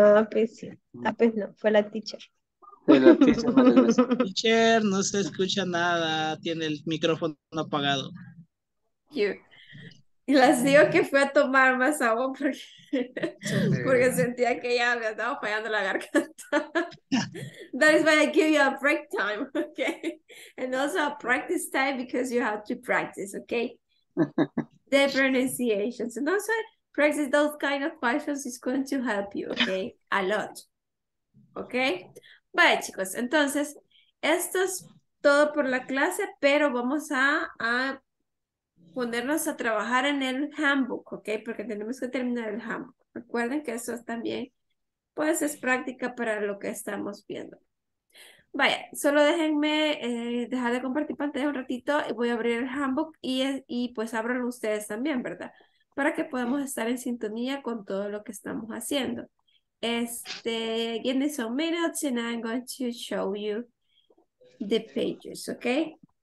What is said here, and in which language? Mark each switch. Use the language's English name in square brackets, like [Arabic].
[Spanish] Pues no, fue la [English] teacher. [Spanish] Teacher, no se escucha nada, tiene el micrófono apagado. Y les digo que fui a tomar más agua porque sentía que ya me estaba fallando la garganta. [English] That is why I give you a break time, okay? And also a practice time because you have to practice, okay? The pronunciations. And also practice those kind of questions is going to help you, okay? A lot, okay? [Spanish] Vale, chicos, entonces, esto es todo por la clase, pero vamos a ponernos a trabajar en el handbook, ¿ok? Porque tenemos que terminar el handbook. Recuerden que eso es también, pues, es práctica para lo que estamos viendo. Vaya, solo déjenme dejar de compartir pantalla un ratito y voy a abrir el handbook y pues ábranlo ustedes también, ¿verdad? Para que podamos estar en sintonía con todo lo que estamos haciendo. [English] Give me some minutes and I'm going to show you the pages, okay?